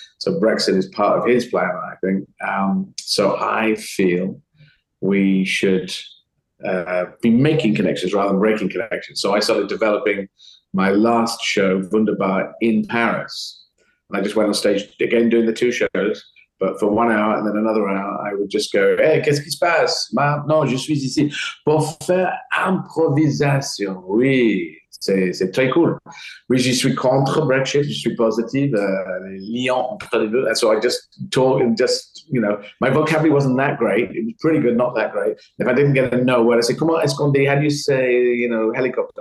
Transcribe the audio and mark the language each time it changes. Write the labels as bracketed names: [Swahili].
[English] So Brexit is part of his plan, I think. So I feel we should be making connections rather than breaking connections. So I started developing my last show, Wunderbar, in Paris. And I just went on stage again doing the two shows, but for 1 hour and then another hour, I would just go, [French] hey, qu'est-ce qui se passe? Maintenant, je suis ici pour faire improvisation. Oui, c'est très cool. Oui, je suis contre Brexit, je suis positive. Lyon, entre les deux. [English] And so I just talk and just, you know, my vocabulary wasn't that great. It was pretty good, not that great. If I didn't get a no word, I said, [French] comment est-ce qu'on dit? [English] How do you say, you know, helicopter?